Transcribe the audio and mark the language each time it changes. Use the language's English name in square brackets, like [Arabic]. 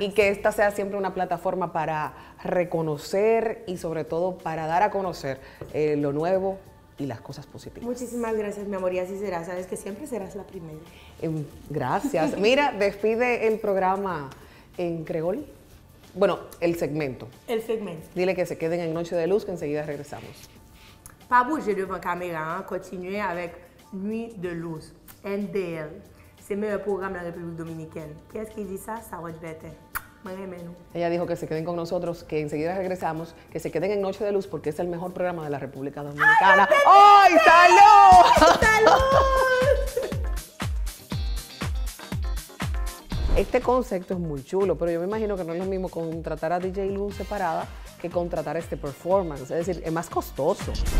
[Spanish] Y que esta sea siempre una plataforma para reconocer y sobre todo para dar a conocer lo nuevo y las cosas positivas. Muchísimas gracias, mi amor, y así será. Sabes que siempre serás la primera. Gracias. Mira, despide el programa en creol. Bueno, el segmento. El segmento. Dile que se queden en Noche de Luz, que enseguida regresamos. [French] Pas bouger de ma caméra, continuez avec Nuit de Luz, NDL. C'est meilleur programme de la République Dominicaine. Qu'est-ce qu'il dit ça? Ça va être [Spanish] Ella dijo que se queden con nosotros, que enseguida regresamos, que se queden en Noche de Luz porque es el mejor programa de la República Dominicana. ¡Ay, salud! Este concepto es muy chulo, pero yo me imagino que no es lo mismo contratar a DJ Luz separada que contratar este performance. Es decir, es más costoso.